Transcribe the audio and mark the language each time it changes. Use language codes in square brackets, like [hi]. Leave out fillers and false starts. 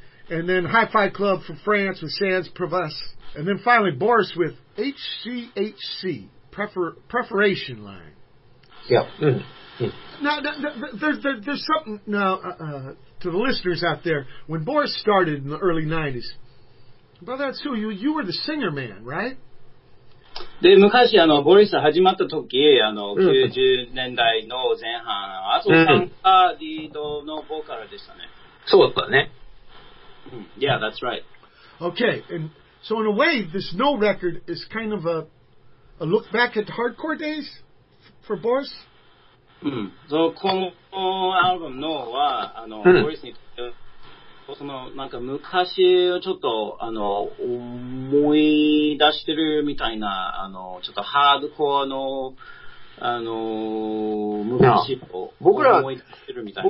[en] And then Hi-Fi Club from France with Sans Prevas. And then finally Boris with HCHC, Preparation Line. Yeah. Now there's something now to the listeners out there. When Boris started in the early 90s, Brother Atsu, you were the singer man, right? [ja] で昔あのボリス始まった時あの90年代の前半アトさんがリードのボーカルでしたね。そうだね。 [en] Yeah, that's right. Okay, and so in a way, this No record is kind of a look back at the hardcore days for Boris. So, [ja] このアルバムのはあのボリスにとってそのなんか昔をちょっとあの思い出してるみたいなあのちょっとハードコアのあの昔を思い出してるみたいな。